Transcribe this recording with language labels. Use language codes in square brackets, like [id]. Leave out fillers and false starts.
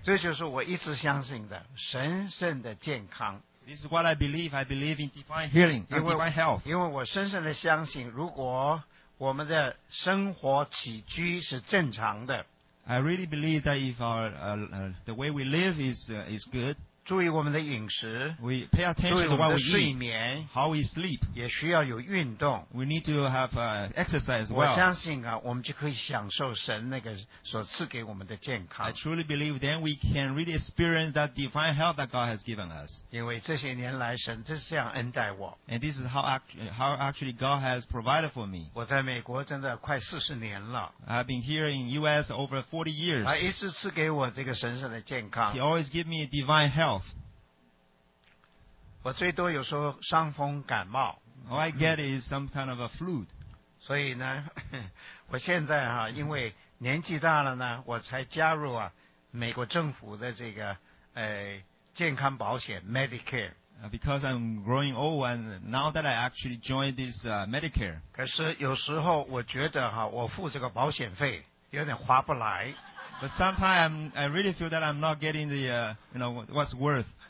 [zh] 这就是我一直相信的神圣的健康。 [en] This is what I believe. I believe in divine healing, divine health. [zh] 因为我深深的相信，如果我们的生活起居是正常的 [en] ，I really believe that if our the way we live is good. [zh] 注意我们的饮食 [en] ，We pay attention to what we eat. [zh] 睡眠 [en] ，How we sleep. [zh] 也需要有运动 [en] ，We need to have exercise. Well. [zh] 我相信啊，我们就可以享受神那个所赐给我们的健康。 [en] I truly believe then we can really experience that divine health that God has given us. [zh] 因为这些年来神就是这样恩待我。 [en] And this is how actually God has provided for me. [zh] 我在美国真的快40年了。 [en] I've been here in U.S. over 40 years. [zh] 他一直赐给我这个神圣的健康。 [en] He always give me divine health. [zh] 我最多有时候伤风感冒。 [en] All I get is some kind of a flu. [zh] 所以呢，我现在哈，因为年纪大了呢，我才加入啊美国政府的这个健康保险 Medicare. [en] Because I'm growing old and now that I actually joined this Medicare. [zh] 可是有时候我觉得哈，我付这个保险费有点划不来。 [en] But sometimes I really feel that I'm not getting the, you know, what's worth.